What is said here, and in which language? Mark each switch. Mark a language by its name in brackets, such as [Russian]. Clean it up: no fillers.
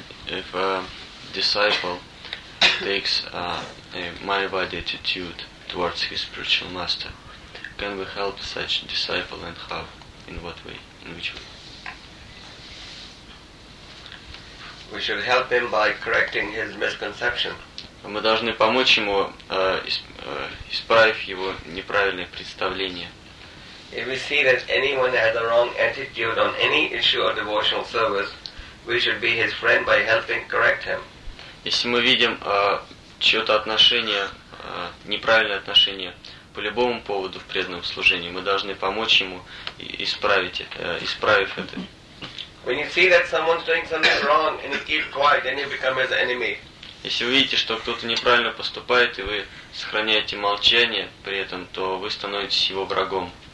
[English] If a disciple takes a mind body attitude towards his spiritual master, can we help such disciple and how? In what way? In which way? We should help him by correcting his misconception. [Russian] Мы должны помочь ему, исправив его неправильное представление. [English] If we see that anyone has a wrong attitude on any issue of devotional service, we should be his friend by helping correct him. [Russian] Если мы видим чьё-то отношение, неправильное отношение по любому поводу в преданном служении, мы должны помочь ему исправив это. [English] When you see that someone's doing something wrong and you keep quiet, then you become his enemy. [Russian] Если вы видите, что кто-то неправильно поступает, и вы сохраняете молчание при этом, то вы становитесь его врагом.